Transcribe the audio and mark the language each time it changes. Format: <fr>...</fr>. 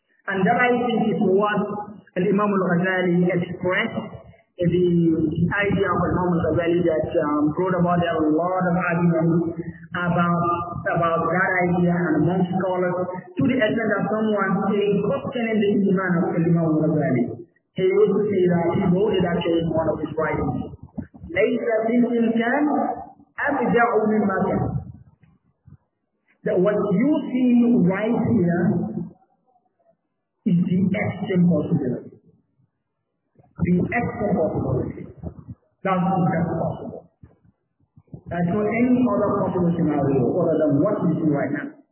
<en>And that I think is what Imam al-Ghazali expressed, the idea of Imam al-Ghazali that wrote about a lot of arguments about that idea and among scholars, to the extent that someone saying questioning the Iman of Imam al-Ghazali, he would say that he wrote it actually in one of his writings.</en> <ar>ليس بالإمكان أبدع مما كان.</ar> <en>That what you see right here is the extreme possibility. The extreme possibility. That's not just possible. That's not any other possible scenario other than what you see right now.</en>